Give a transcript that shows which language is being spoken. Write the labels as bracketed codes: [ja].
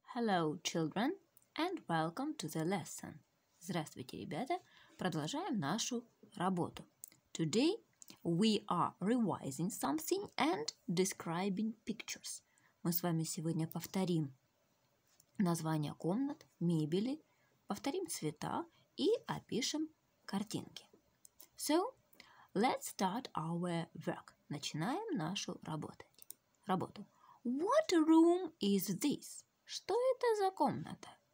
[en] Hello, children, and welcome to the lesson. [ru] Здравствуйте, ребята. Продолжаем нашу работу. [en] Today we are revising something and describing pictures. [ru] Мы с вами сегодня повторим названия комнат, мебели, повторим цвета и опишем картинки. [en] So, let's start our work. [ru] Начинаем нашу работу. [en] What room is this? [ru] Что это за комната?